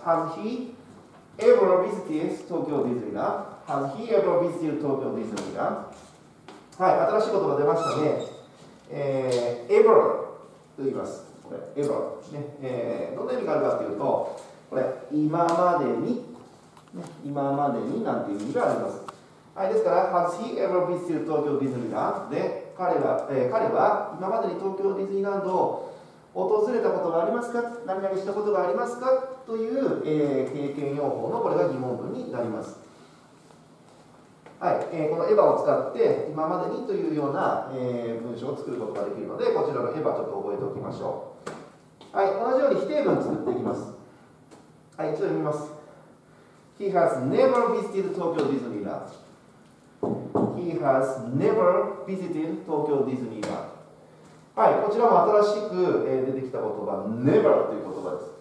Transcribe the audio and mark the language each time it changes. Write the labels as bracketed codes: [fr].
[en] Has he ever visited Tokyo Disneyland? Has he ever visited Tokyo Disneyland? [ja] はい、新しい言葉出ましたね。ever と言います。これ、ever、ね、どんな意味があるかというと、これ、今までに、ね、今までになんていう意味があります。はい、ですから、 [en] has he ever visited Tokyo Disneyland? [ja] で、彼は今までに東京ディズニーランドを訪れたことがありますか、何々したことがありますかという、経験用法のこれが疑問文になります。はい、このエヴァを使って今までにというような、文章を作ることができるので、こちらのエヴァちょっと覚えておきましょう。はい、同じように否定文を作っていきます。はい、一度読みます。 [en] He has never visited Tokyo Disneyland. He has never visited Tokyo Disneyland. [ja] はい、こちらも新しく出てきた言葉 never という言葉です。